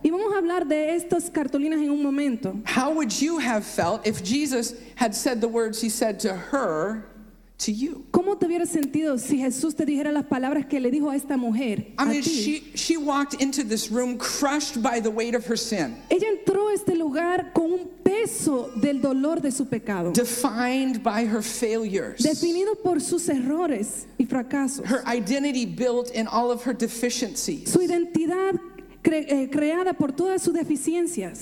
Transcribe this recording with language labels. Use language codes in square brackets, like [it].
[es] Y vamos a hablar de estas cartulinas en un momento. [en] How would you have felt if Jesus had said the words he said to her to you. [es] ¿Cómo te hubieras sentido si Jesús te dijera las palabras que le dijo a esta mujer? [en] She walked into this room crushed by the weight of her sin. [es] Ella entró a este lugar con un peso del dolor de su pecado. [en] Defined by her failures. [es] Definido por sus errores y fracasos. [en] Her identity built in all of her deficiencies. [es] Su identidad creada por todas sus deficiencias.